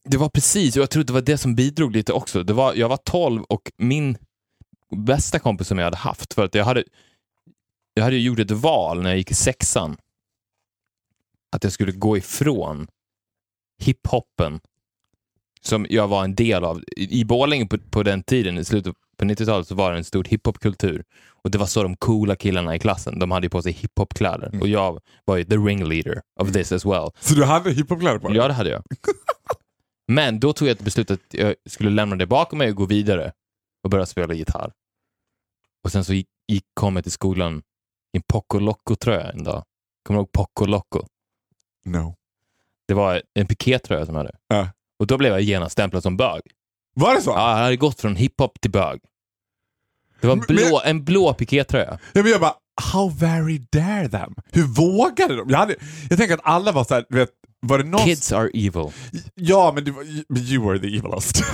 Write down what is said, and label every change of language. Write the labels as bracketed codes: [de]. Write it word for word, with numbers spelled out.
[sv] det var precis, och jag tror det var det som bidrog lite också. Det var, jag var tolv och min bästa kompis som jag hade haft, för att jag hade jag hade ju gjort ett val när jag gick i sexan att jag skulle gå ifrån hiphoppen som jag var en del av. I, i Borlänge på, på den tiden, i slutet på nittiotalet, så var det en stor hiphopkultur. Och det var så de coola killarna i klassen, de hade ju på sig hiphopkläder. Och jag var ju [en] the ringleader of this as well. [sv] Så du hade hiphopkläder på dig? Ja, det hade jag. Men då tog jag ett beslut att jag skulle lämna det bakom mig och gå vidare och börja spela gitarr. Och sen så gick, gick, kom jag till skolan i en Poco Loco-tröja en dag. Kommer du ihåg Poco Loco? [en] No. [sv] Det var en pikétröja som jag hade. Ja. Och då blev jag genast stämplad som bög. Var det så? Ja, jag hade gått från hiphop till bög. Det var en Men- men- blå, en blå pikétröja. Ja, men jag bara, [en] how very dare them? [sv] Hur vågade de? Jag, hade, jag tänker att alla var så här, du vet, var det någon... [en] Kids are evil. [sv] Ja, men du, var- [en] you were the evilest.